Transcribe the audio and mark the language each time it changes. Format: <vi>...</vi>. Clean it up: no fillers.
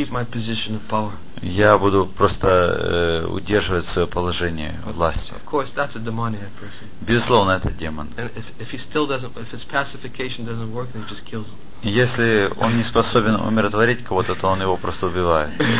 <en>I'll keep my position of power.</en> <ru>Я буду просто удерживать свое положение власти.</ru> <en>Of course, that's a demoniac person.</en> <ru>Безусловно, это демон.</ru> <en>And if he still doesn't, if his pacification doesn't work, then he just kills him.</en> <ru>Если он не способен умиротворить кого-то, то он его просто убивает.</ru>